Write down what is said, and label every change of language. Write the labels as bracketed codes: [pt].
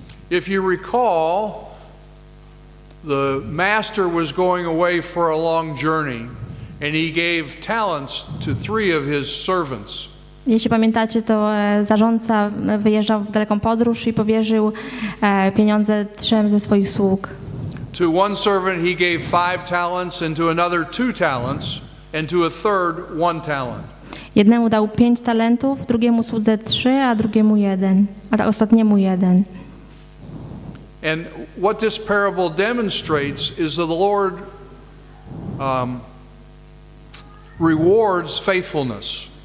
[en] If you recall, the master was going away for a long journey, and he gave talents to three of his servants. [pl] Jeśli pamiętacie, to zarządca wyjeżdżał w daleką podróż i powierzył pieniądze trzem ze swoich sług. [en] To one servant he gave 5 talents, and to another 2 talents, and to a third 1 talent. [pl] Jednemu dał 5 talentów, drugiemu słudze 3, a drugiemu 1, a ostatniemu 1. [en] And what this parable demonstrates is that the Lord rewards faithfulness.